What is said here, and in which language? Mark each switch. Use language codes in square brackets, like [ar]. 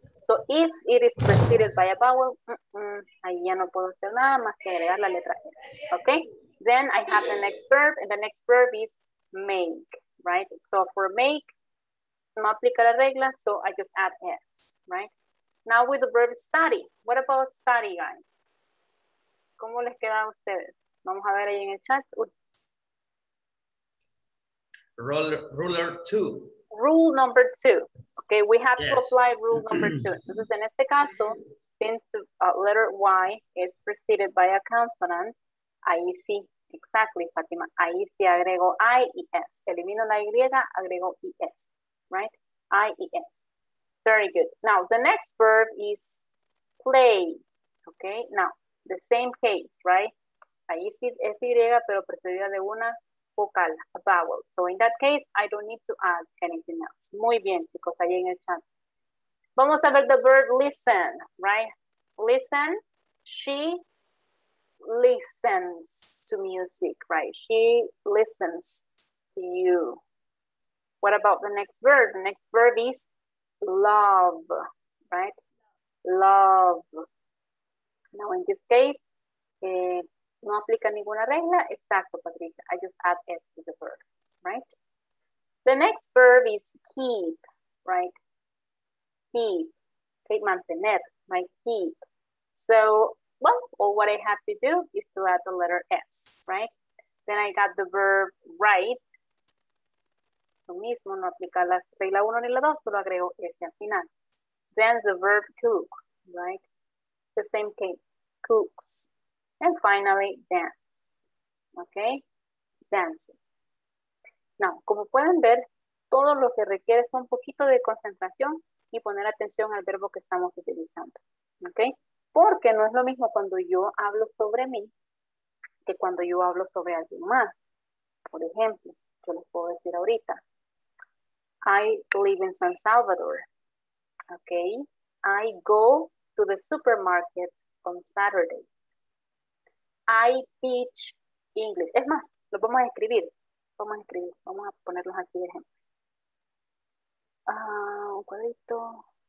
[en] So if it is preceded by a vowel, [es] ahí ya no puedo hacer nada más que agregar la letra S. [en] Okay? Then I have the next verb, and the next verb is make, right? So for make, [es] no aplica la regla, [en] so I just add S, right? Now with the verb study, what about study, guys? [es] ¿Cómo les queda a ustedes? Vamos a ver ahí en el chat. [en] Ruler 2. Rule number 2. Okay, we have to apply rule number 2. [es] Entonces, en este caso, [en] since the letter Y is preceded by a consonant, [es] ahí sí, exactly, Fátima, ahí sí agrego I, E, S. Elimino la Y, agrego E, S, right? I, E, S. [en] Very good. Now, the next verb is play, okay? Now, the same case, right? [es] Ahí sí es Y, pero precedida de una vocal, [en] a vowel. So in that case, I don't need to add anything else. [es] Muy bien, chicos, ahí en el chat. Vamos a ver [en] the verb listen, right? Listen, she listens to music, right? She listens to you. What about the next verb? The next verb is love, right? Love. Now in this case, [es] no aplica ninguna regla. Exacto, [en] Patricia. I just add S to the verb, right? The next verb is keep, right? Keep. Okay, [es] mantener, [en] right? Keep. So, well, all what I have to do is to add the letter S, right? Then I got the verb write. [es] Lo mismo, no aplica la regla 1 ni la 2, solo agrego S al final. [en] Then the verb cook, right? The same case. Cooks. And finally, dance. Okay, dances. [es] Now, como pueden ver, todo lo que requiere es un poquito de concentración y poner atención al verbo que estamos utilizando. Okay, porque no es lo mismo cuando yo hablo sobre mí que cuando yo hablo sobre alguien más. Por ejemplo, yo les puedo decir ahorita, [en] I live in San Salvador. Okay, I go to the supermarket on Saturday. I teach English. [es] Es más, lo vamos a escribir. [en] Vamos a escribir. [es] Vamos a ponerlos aquí de ejemplo. Un cuadrito.